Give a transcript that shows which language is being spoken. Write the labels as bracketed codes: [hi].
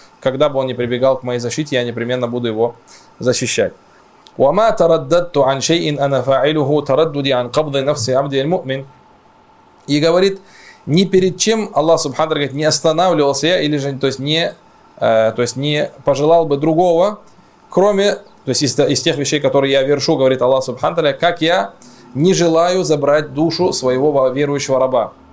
[ru] Когда бы он не прибегал к моей защите, я непременно буду его защищать. [ar] وما ترددت عن شيء انا فاعله تردد عن قبض نفس عبد المؤمن. [ru] И говорит, ни перед чем Аллах Субхану Тааля говорит, не останавливался я, или же, то есть не пожелал бы другого, кроме, то есть из тех вещей, которые я вершу, говорит Аллах Субхану Тааля, как я не желаю забрать душу своего верующего раба.